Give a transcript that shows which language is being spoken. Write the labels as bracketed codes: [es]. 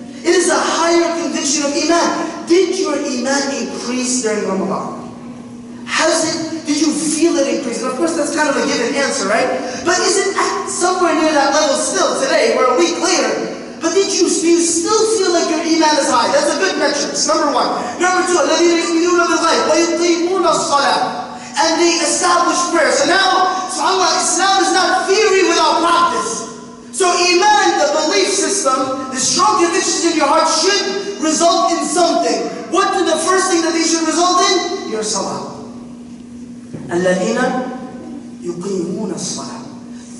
[en] It is a higher conviction of iman. Did your iman increase during Ramadan? Did you feel it increase? And of course, that's kind of a given answer, right? But is it at somewhere near that level still today? We're a week later. But do you still feel like your iman is high? That's a good metric. Number one. Number two, [ar] الَّذِينَ يُؤْمِنُونَ بِالْغَيْبِ وَيُقِيمُونَ الصَّلَاةَ. [en] And they establish prayer. So now, subhanAllah, Islam is not theory without practice. So iman, the belief system, the strong convictions in your heart should result in something. What do the first thing that they should result in? Your salah. [ar] الَّذِينَ يُقِيمُونَ الصَّلَاةَ.